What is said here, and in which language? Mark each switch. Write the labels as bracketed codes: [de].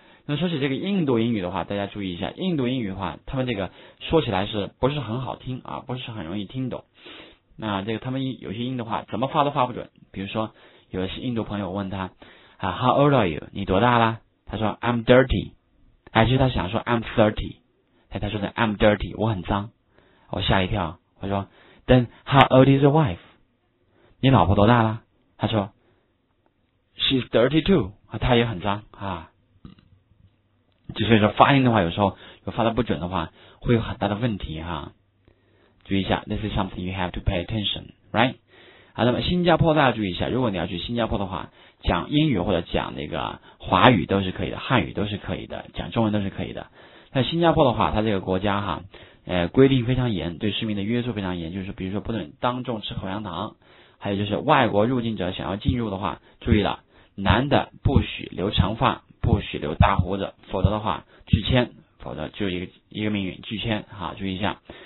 [zh] 那说起这个印度英语的话，大家注意一下，印度英语的话，他们这个说起来是不是很好听啊？不是很容易听懂。那这个他们有些音的话，怎么发都发不准。比如说，有的是印度朋友问他啊， [en] How old are you？ [zh] 你多大了？他说 [en] I'm dirty。 [zh] 哎，其实他想说 [en] I'm thirty， [zh] 但他说的 [en] I'm dirty， [zh] 我很脏。我吓一跳，我说 [en] Then how old is your wife？ [zh] 你老婆多大了？他说 [en] She's 32， [zh] 啊，她也很脏啊。就所以说发音的话，有时候就发的不准的话，会有很大的问题哈。注意一下， [en] this is something you have to pay attention，right？ [zh] 啊，那么新加坡大家注意一下，如果你要去新加坡的话，讲英语或者讲那个华语都是可以的，汉语都是可以的，讲中文都是可以的。那新加坡的话，它这个国家哈，规定非常严，对市民的约束非常严，就是比如说不能当众吃口香糖，还有就是外国入境者想要进入的话，注意了，男的不许留长发，不许留大胡子，否则的话拒签，否则就一个命运，拒签哈，注意一下。